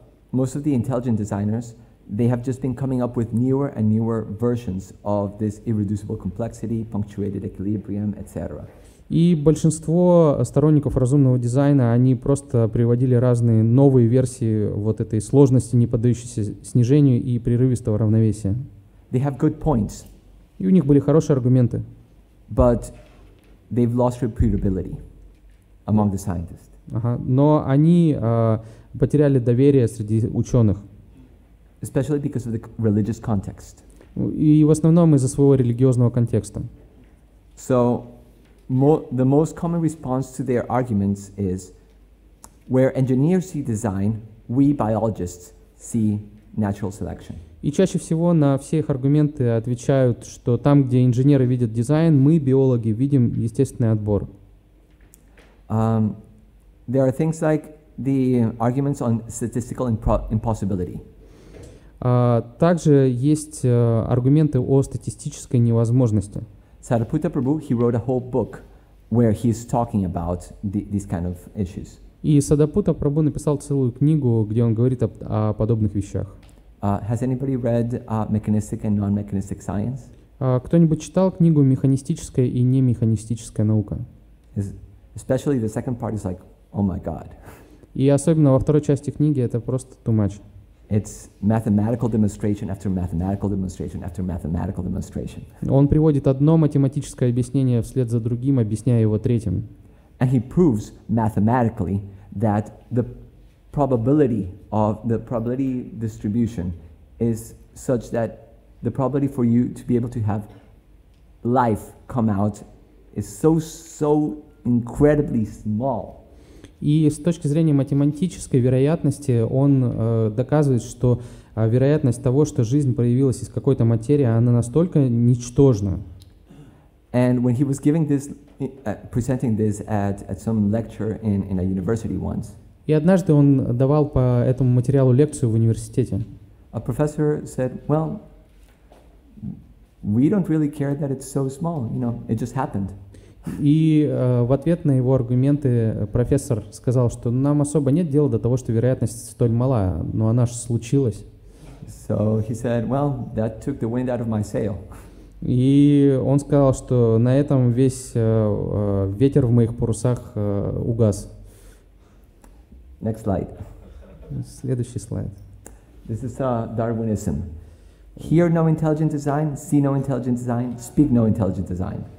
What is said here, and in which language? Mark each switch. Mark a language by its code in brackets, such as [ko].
[en] Most of the intelligent designers, they have just been coming up with newer and newer versions of this irreducible complexity, punctuated equilibrium, etc. [ru] И большинство сторонников разумного дизайна, они просто приводили разные новые версии вот этой сложности, не поддающейся снижению и прерывистого равновесия. [en] They have good points. [ru] И у них были хорошие аргументы. [en] But they've lost reputability among the scientists. [ru] Ага. Но они потеряли доверие среди ученых. [en] Especially because of the religious context. [ru] И в основном из-за своего религиозного контекста. [en] So, the most common response to their arguments is, where engineers see design, we biologists see natural selection. [ru] И чаще всего на все их аргументы отвечают, что там, где инженеры видят дизайн, мы, биологи, видим естественный отбор. [en] There are things like the arguments on statistical impossibility. [ru] Также есть аргументы о статистической невозможности. [en] Сарипутта Прабху, he wrote a whole book where he's talking about these kind of issues. [ru] И Сарипутта Прабху написал целую книгу, где он говорит о подобных вещах. [en] Has anybody read mechanistic and non-mechanistic science? [ru] Кто-нибудь читал книгу «Механистическая и немеханистическая наука»? [en] Especially the second part is like, oh my god. [ru] И особенно во второй части книги это просто [en] too much. It's mathematical demonstration after mathematical demonstration after mathematical demonstration. [ru] Он приводит одно математическое объяснение вслед за другим, объясняя его третьим. [en] And he proves mathematically that the probability of the probability distribution is such that the probability for you to be able to have life come out is so incredibly small. [ru] И с точки зрения математической вероятности он доказывает, что вероятность того, что жизнь проявилась из какой-то материи, она настолько ничтожна. [en] And when he was giving this, presenting this at some lecture in a university once. [ru] И однажды он давал по этому материалу лекцию в университете. [en] A professor said, well, we don't really care that it's so small, you know, it just happened. [ru] И в ответ на его аргументы профессор сказал, что нам особо нет дела до того, что вероятность столь мала, но она же случилась. [en] So he said, well, that took the wind out of my sail. [ru] И он сказал, что на этом весь ветер в моих парусах угас. [en] Next slide. [ru] Следующий слайд. [en] This is Darwinism. Hear no intelligent design, see no intelligent design, speak no intelligent design.